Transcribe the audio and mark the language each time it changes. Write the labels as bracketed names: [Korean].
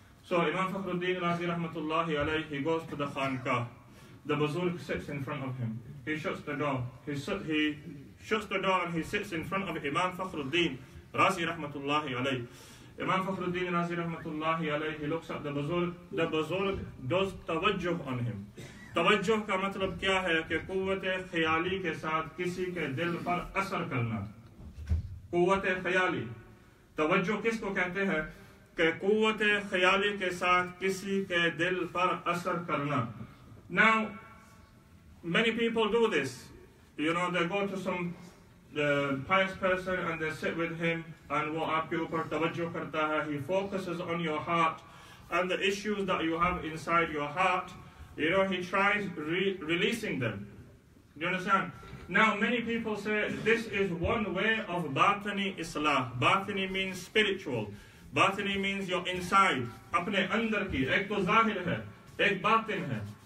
[English] So Imam Fakhruddin Razi rahmatullahi alayhi, he goes to the khankah. The buzurg sits in front of him. He shuts the door. He shuts the door and he sits in front of Imam Fakhruddin Razi rahmatullahi alayhi. Imam Fakhruddin Razi rahmatullahi alayhi, he looks at the buzurg. The buzurg does tawajjuh on him. [Urdu] توجہ کا مطلب کیا ہے کہ قوت خیالی کے ساتھ کسی کے دل پر اثر کرنا قوت خیالی توجہ کس کو کہتے ہیں کہ قوت خیالی کے ساتھ کسی کے دل پر اثر کرنا [English] Now many people do this, you know, they go to some pious person and they sit with him and [Urdu] وہ آپ کے اوپر توجہ کرتا ہے [English] he focuses on your heart and the issues that you have inside your heart. You know, he tries releasing them. You understand? Now, many people say this is one way of batini islah. Batini means spiritual. Batini means your inside. [Urdu] Apne andar ki. Ek to zahir hai. Ek batin hai.